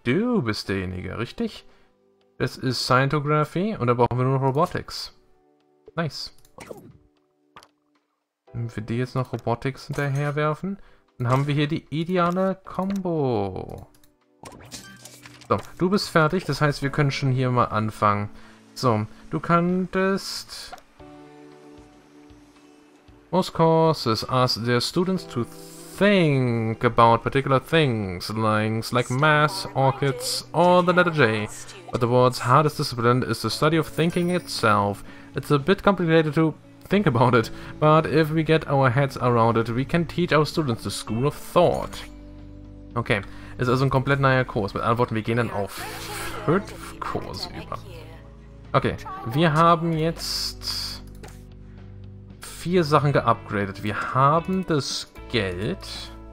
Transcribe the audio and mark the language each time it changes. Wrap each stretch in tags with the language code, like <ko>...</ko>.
<de>Du bist derjenige, richtig? Es ist Scientography und da brauchen wir nur noch Robotics. Nice. Wenn wir die jetzt noch Robotics hinterherwerfen, dann haben wir hier die ideale Combo. So, du bist fertig, das heißt, wir können schon hier mal anfangen. So, du könntest.</de> <en>Most courses ask their students to think about particular things, like math, orchids, or the letter J. But the world's hardest discipline is the study of thinking itself. It's a bit complicated to think about it, but if we get our heads around it, we can teach our students the school of thought.</en> <de>Okay, ist also ein komplett neuer Kurs. Mit anderen Worten, wir gehen dann auf 5 Kurse über. Okay, wir haben jetzt 4 Sachen geupgradet. Wir haben das Geld.</de>